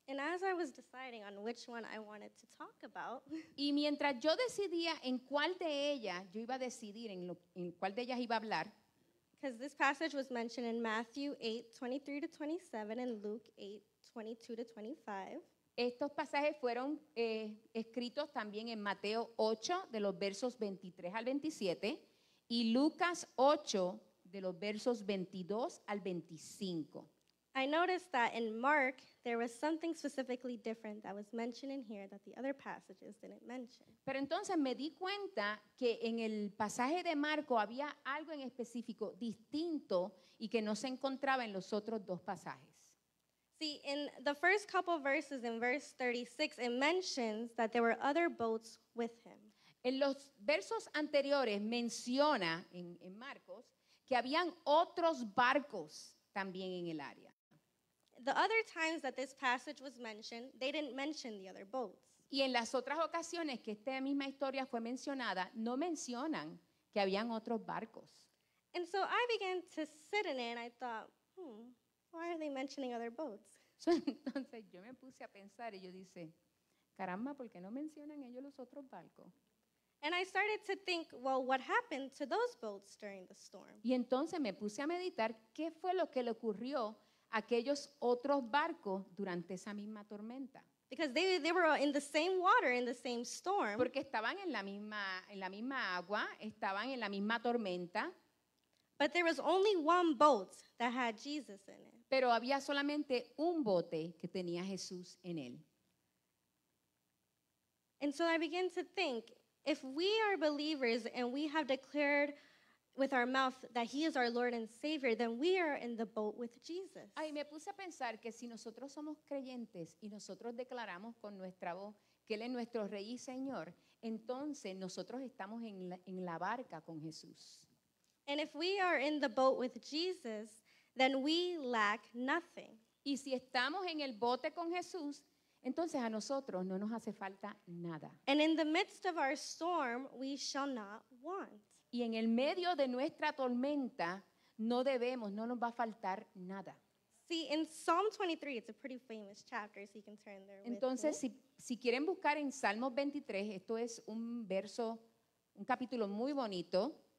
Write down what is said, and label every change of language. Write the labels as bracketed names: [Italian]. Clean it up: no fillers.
[English] And as I was deciding on which one I wanted to talk about, [Spanish] y mientras yo decidía en cuál de ellas yo iba a decidir en cuál de ellas iba a hablar, [English] because this passage was mentioned in Matthew 8:23-27 and Luke 8:22-25. [Spanish] Estos pasajes fueron escritos también en Mateo 8 de los versos 23 al 27 y Lucas 8 de los versos 22 al 25. [English] I noticed that in Mark there was something specifically different that was mentioned in here that the other passages didn't mention. [Spanish] Pero entonces me di cuenta que en el pasaje de Marco había algo en específico distinto y que no se encontraba en los otros dos pasajes. [English] See, in the first couple of verses, in verse 36, it mentions that there were other boats with him. [Spanish] En los versos anteriores menciona en Marcos que habían otros barcos también en el área. [English] The other times that this passage was mentioned, they didn't mention the other boats. [Spanish] Y en las otras ocasiones que esta misma historia fue mencionada, no mencionan que habían otros barcos. [English] And so I began to sit in it and I thought, why are they mentioning other boats? [Spanish] So, entonces yo me puse a pensar y yo dice, caramba, ¿por qué no mencionan ellos los otros barcos? [English] And I started to think, well, what happened to those boats during the storm? [Spanish] Y entonces me puse a meditar qué fue lo que le ocurrió a aquellos otros barcos durante esa misma tormenta. [English] Because they were in the same water in the same storm. [Spanish] Porque estaban en la misma agua, estaban en la misma tormenta. [English] But there was only one boat that had Jesus in it. [Spanish] Pero había solamente un bote que tenía Jesús en él. [English] And so I began to think, if we are believers and we have declared with our mouth that he is our Lord and Savior, then we are in the boat with Jesus. [Spanish] Ay, me puse a pensar que si nosotros somos creyentes y nosotros declaramos con nuestra voz que él es nuestro Rey y Señor, entonces nosotros estamos en la barca con Jesús. [English] And if we are in the boat with Jesus, then we lack nothing. [Spanish] Y si estamos en el bote con Jesús, entonces a nosotros no nos hace falta nada. [English] And in the midst of our storm, we shall not want. [Spanish] Y en el medio de nuestra tormenta, no nos va a faltar nada. [English] See, in Psalm 23, it's a pretty famous chapter, so you can turn there. [Spanish] Entonces, [English] with me. [Spanish] Si quieren buscar en Salmos 23, esto es un capítulo muy bonito.